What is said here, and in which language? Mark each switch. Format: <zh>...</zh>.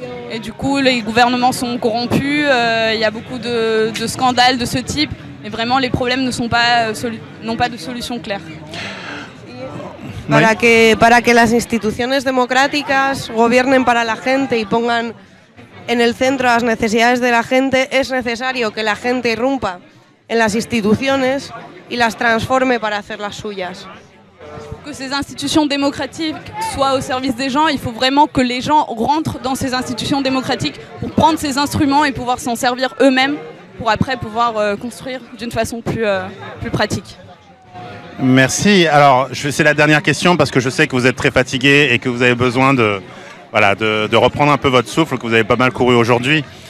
<fr>Et du coup, les gouvernements sont corrompus, il y a beaucoup de scandales de ce type, et vraiment, les problèmes ne sont pas, n'ont pas de solution claire.</fr> <es>Para que las instituciones democráticas gobiernen para la gente y pongan en el centro las necesidades de la gente, es necesario que la gente irrumpa en las instituciones y las transforme para hacerlas suyas.</es> <fr>Que ces instituciones démocratiques soient au service des gens, il faut vraiment que les gens rentrent dans ces instituciones démocratiques pour prendre ces instruments et pouvoir s'en servir eux-mêmes pour après pouvoir construire d'une façon plus pratique. Merci. Alors, c'est la dernière question parce que je sais que vous êtes très fatigué et que vous avez besoin de, voilà, de reprendre un peu votre souffle, que vous avez pas mal couru aujourd'hui.</fr>